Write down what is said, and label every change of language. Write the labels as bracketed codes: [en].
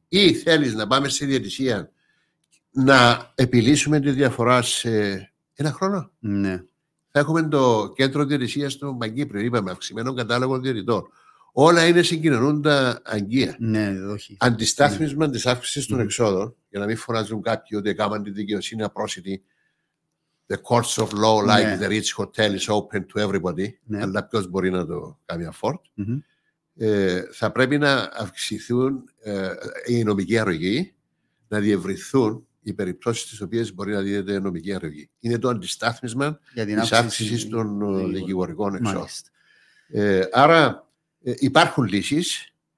[el] Ή θέλεις να πάμε στη διαιτησία να επιλύσουμε τη διαφορά σε ένα χρόνο. Ναι. Θα έχουμε το κέντρο διαιτησίας στο Μαγκύπριο, είπαμε, αυξημένο κατάλογο διαιτητών. Όλα είναι συγκοινωνούντα αγκεία. Ναι, όχι. Αντιστάθμισμα της αύξησης των εξόδων, για να μην φωνάζουν κάποιοι ότι έκαναν τη δικαιοσύνη απρόσιτη. [en] The courts of law, like the rich hotel is open to everybody. [el] Ναι. Αλλά ποιος μπορεί να το κάνει afford. Mm-hmm. Θα πρέπει να αυξηθούν οι νομικοί αρρωγοί, να διευρυνθούν οι περιπτώσεις στις οποίες μπορεί να δίνεται νομική αρρωγή. Είναι το αντιστάθμισμα της αύξησης των δικηγορικών εξόδων. Άρα υπάρχουν λύσεις.